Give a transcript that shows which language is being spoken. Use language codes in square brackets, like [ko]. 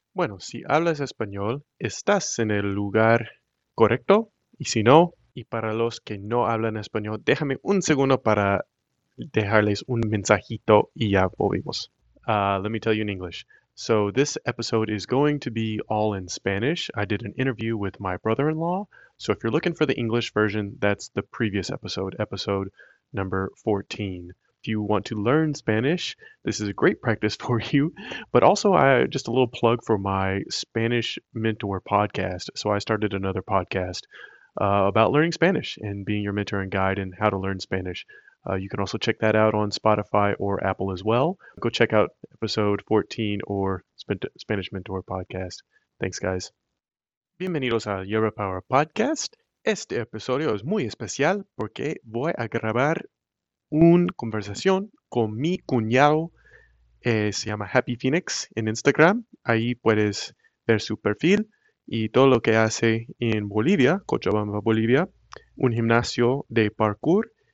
[es] Bueno, si hablas español, estás en el lugar correcto. Y si no, y para los que no hablan español, déjame un segundo para dejarles un mensajito y ya volvemos. [en] Let me tell you in English. So this episode is going to be all in Spanish. I did an interview with my brother-in-law. So if you're looking for the English version, that's the previous episode, episode number 14. If you want to learn Spanish, this is a great practice for you. But also, I just a little plug for my Spanish mentor podcast. So I started another podcast about learning Spanish and being your mentor and guide and how to learn Spanish. You can also check that out on Spotify or Apple as well. Go check out episode 14 or Spanish Mentor Podcast. Thanks, guys. [es] Bienvenidos a Yerba Power Podcast. Este episodio es muy especial porque voy a grabar una conversación con mi cuñado, se llama Happy Phoenix en Instagram. Ahí puedes ver su perfil y todo lo que hace en Bolivia, Cochabamba, Bolivia, un gimnasio de parkour.